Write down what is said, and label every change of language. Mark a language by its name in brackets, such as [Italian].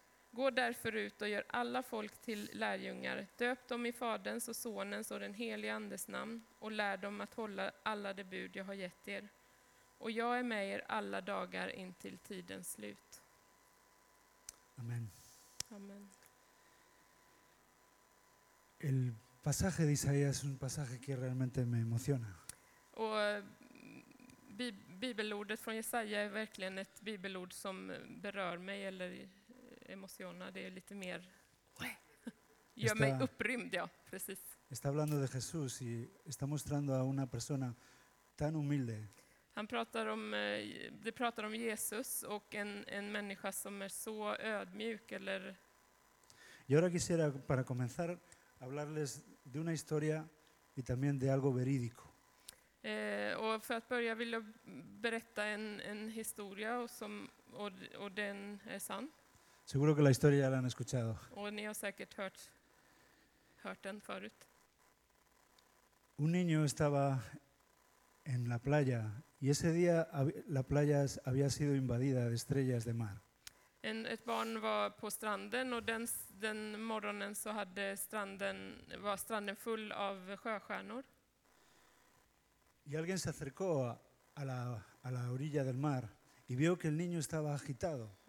[Swedish] Gå därför ut och gör alla folk till lärjungar. Döp dem i Faderns och Sonens och den helige Andes namn och lär dem att hålla alla de bud jag har gett er. Och jag är med er alla dagar in till tidens slut. Amen. Amen. [Spanish] El pasaje de Isaías es un pasaje que realmente me emociona. [Swedish] Och bibelordet från Jesaja är verkligen ett bibelord som berör mig eller emociona. Det är lite mer gör mig upprymd, ja, precis. [Spanish] Está hablando de Jesús y está mostrando a una persona tan humilde. [Swedish] Han pratar om det pratar om Jesus och en människa som är så ödmjuk eller. [Spanish] Y ahora quisiera para comenzar hablarles de una historia y también de algo verídico. [Swedish] Och för att börja vill jag berätta en historia och den är sann. [Spanish] Seguro que la historia ya la han escuchado. [Swedish] Och ni har säkert hört den förut. [Spanish] Un niño estaba en la playa y ese día la playa había sido invadida de estrellas de mar. [Swedish] Ett barn var på stranden och den morgonen så hade stranden full av sjöstjärnor. [Spanish] Y alguien se acercó a la orilla del mar y vio que el niño estaba agitado.